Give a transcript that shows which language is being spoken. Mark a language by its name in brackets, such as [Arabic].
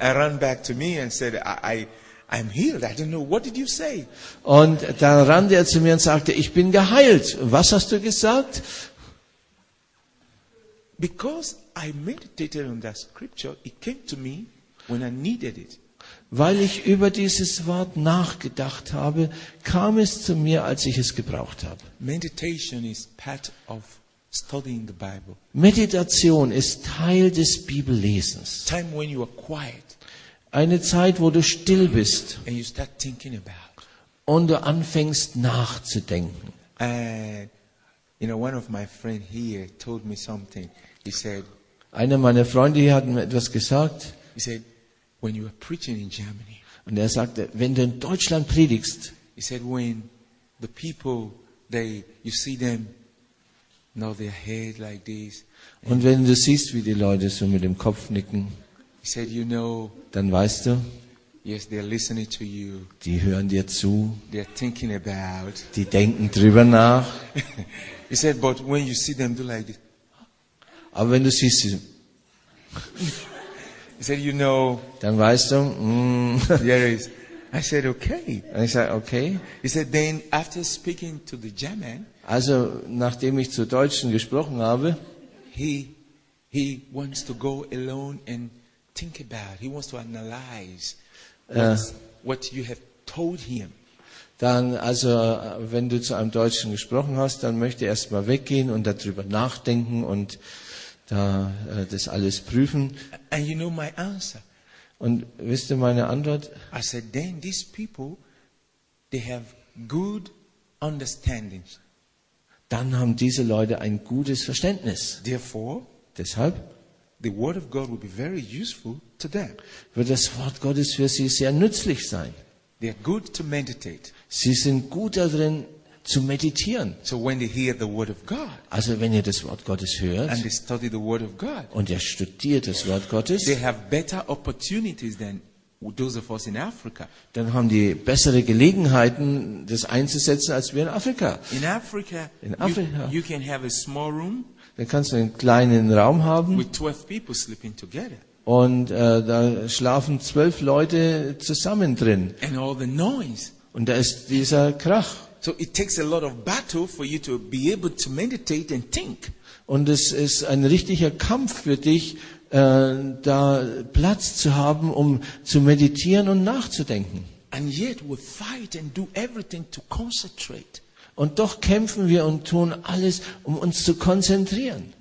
[English] I ran back to me and said, I'm healed. I don't know. What did you say? [German] Und dann rannte er zu mir und sagte, ich bin geheilt. Was hast du gesagt? [English] Because I meditated on that scripture, it came to me when I needed it. [German] Weil ich über dieses Wort nachgedacht habe, kam es zu mir, als ich es gebraucht habe. [English] Meditation is part of studying the Bible. [German] Meditation ist Teil des Bibellesens. [English] Time when you are quiet. [German] Eine Zeit, wo du still bist. [English] And you start thinking about. [German] Und du anfängst nachzudenken. [English] And, you know, one of my friends here told me something. He said, [German] einer meiner Freunde hier hat mir etwas gesagt. [English] He said, when you are preaching in Germany. [German] Und er sagte, wenn du in Deutschland predigst. [English] He said, when the people, they, you see them, nod their head like this. [German] Und wenn du siehst, wie die Leute so mit dem Kopf nicken, [English] he said, you know, [German] dann weißt du, [English] yes, they are listening to you. [German] Die hören dir zu. [English] They are thinking about. [German] Die denken drüber nach. [English] He said, but when you see them do like this. [German] Aber wenn du siehst, [English] he said, you know, [German] dann weißt du, [English] there is. I said, okay. And I said, okay. He said, then after speaking to the German, [German] also nachdem ich zu Deutschen gesprochen habe, [English] he wants to go alone and think about. He wants to analyze what you have told him. [German] Dann also, wenn du zu einem Deutschen gesprochen hast, dann möchte er erstmal weggehen und darüber nachdenken und da das alles prüfen. [English] And you know my answer. [German] Und wisst ihr meine Antwort? [English] I said, then these people, they have good understandings. [German] Dann haben diese Leute ein gutes Verständnis. [English] Therefore, [German] deshalb, [English] the word of God will be very useful to them. [German] Wird das Wort Gottes für sie sehr nützlich sein. [English] They are good to meditate. [German] Sie sind gut darin zu meditieren. [English] So when they hear the word of God, [German] also wenn ihr das Wort Gottes hört, [English] and they study the word of God, [German] und ihr studiert das Wort Gottes, [English] they have better opportunities than those of us in Africa. [German] Dann haben die bessere Gelegenheiten, das einzusetzen, als wir in Afrika. [English] In Afrika, you can have a small room, [German] dann kannst du einen kleinen Raum haben, [English] with 12 people sleeping together. [German] Und da schlafen 12 Leute zusammen drin. [English] And all the noise. [German] Und da ist dieser Krach. [English] So it takes a lot of battle for you to be able to meditate and think. [German] Und es ist ein richtiger Kampf für dich, da Platz zu haben, um zu meditieren und nachzudenken. [English] And yet we fight and do everything to concentrate. [German] Und doch kämpfen wir und tun alles, um uns zu konzentrieren.